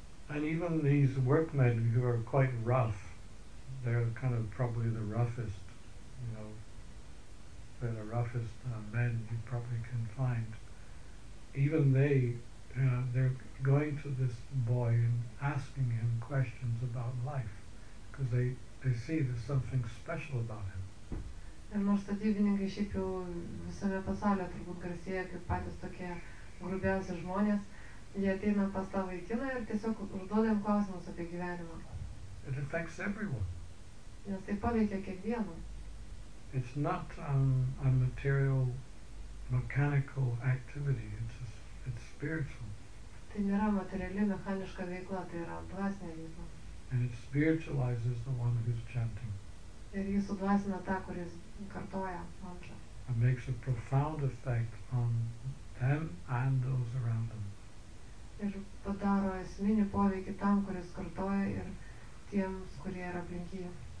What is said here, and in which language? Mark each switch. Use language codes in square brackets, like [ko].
[en] And even these workmen who are quite rough, they're kind of probably the roughest you know, they're the roughest men you probably can find. Even they, they're going to this boy and asking him questions about life, because they see there's something special about him. [lt] Ir nors statybininkai šiaip jau visame pasaulyje turbūt garsėja kaip patys tokie grubiausi žmonės, jie ateina pas tą vaikiną ir tiesiog užduoda jam klausimus apie gyvenimą. [en] It affects everyone. [lt] Nes tai paveikia kiekvieną. [en] It's not a material, mechanical activity, it's spiritual. [lt] Tai nėra materiali, mechaniška veikla, tai yra dvasinė veikla. [en] And it spiritualizes the one who's chanting. [lt] Ir jis sudvasina tą, kuris kartoja mantrą. [en] It makes a profound effect on them and those around them. [lt] Ir padaro esminį poveikį tam, kuris kartoja ir tiems, kurie yra aplinkyje.